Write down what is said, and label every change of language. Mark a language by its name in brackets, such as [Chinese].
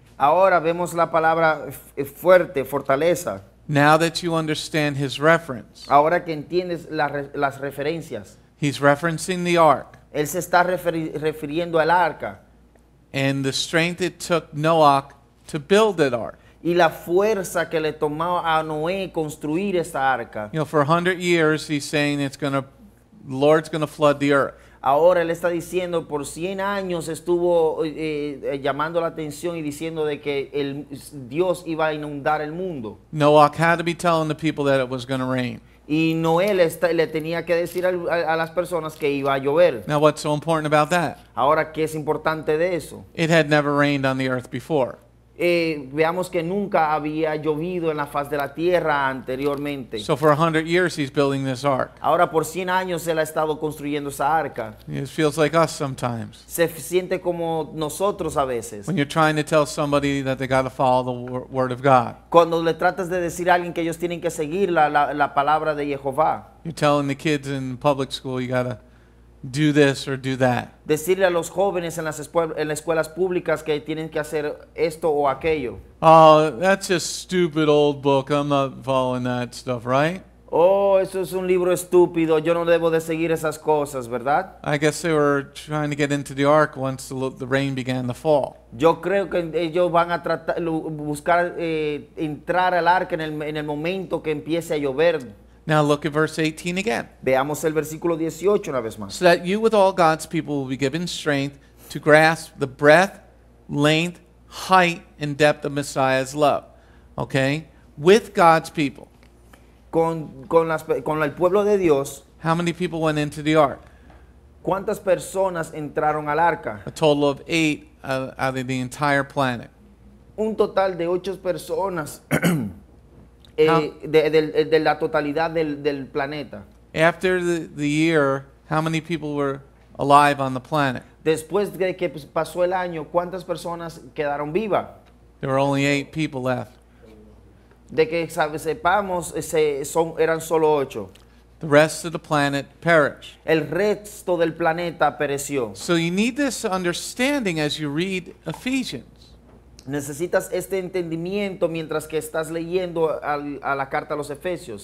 [Spanish] Ahora vemos la palabra fuerte, fortaleza. [English] Now that you understand his reference. [Spanish] Ahora que entiendes las referencias. [English] He's referencing the ark. [Spanish] Él se está refiriendo al arca. [English] And the strength it took Noah to build that ark. [Spanish] Y la fuerza que le tomó a Noé construir esa arca. [English] You know, for 100 years he's saying it's going to, the Lord's going to flood the earth. [Spanish] Ahora él está diciendo, por 100 años estuvo llamando la atención y diciendo de que el Dios iba a inundar el mundo. [English] Noah had to be telling the people that it was going to rain. [Spanish] Y Noé le tenía que decir a las personas que iba a llover. [English] Now what's so important about that? [Spanish] Ahora, ¿qué es importante de eso? [English] It had never rained on the earth before. [Spanish] Veamos que nunca había llovido en la faz de la tierra anteriormente. [English] So for 100 years he's building this ark. [Spanish] Ahora por 100 años él ha estado construyendo esa arca. [English] It feels like us sometimes. [Spanish] Se siente como nosotros a veces. [English] When you're trying to tell somebody that they got to follow the word of God. [Spanish] Cuando le tratas de decir a alguien que ellos tienen que seguir la palabra de Jehová. [English] You're telling the kids in public school you got to do this or do that. [Spanish] Decirle a los jóvenes en las escuelas públicas que tienen que hacer esto o aquello. [English] Oh, that's a stupid old book. I'm not following that stuff, right? [Spanish] Oh, eso es un libro estúpido. Yo no debo de seguir esas cosas, ¿verdad? [English] I guess they were trying to get into the ark once the rain began to fall. [Spanish] Yo creo que ellos van a tratar buscar entrar al arca en el momento que empiece a llover. [English] Now look at verse 18 again. [Spanish] Veamos el versículo 18 una vez más. [English] So that you with all God's people will be given strength to grasp the breadth, length, height, and depth of Messiah's love. Okay? With God's people. [Spanish] Con el pueblo de Dios. [English] How many people went into the ark? [Spanish] ¿Cuántas personas entraron al arca? [English] A total of 8 out of the entire planet. [Spanish] Un total de 8 personas de la totalidad del planeta. [English] After the year, how many people were alive on the planet? [Spanish] Después de que pasó el año, ¿cuántas personas quedaron vivas? [English] There were only 8 people left. [Spanish] De que sepamos, eran solo 8. [English] The rest of the planet perished. [Spanish] El resto del planeta pereció. [English] So you need this understanding as you read Ephesians. [Spanish] Necesitas este entendimiento mientras que estás leyendo a la carta a los Efesios.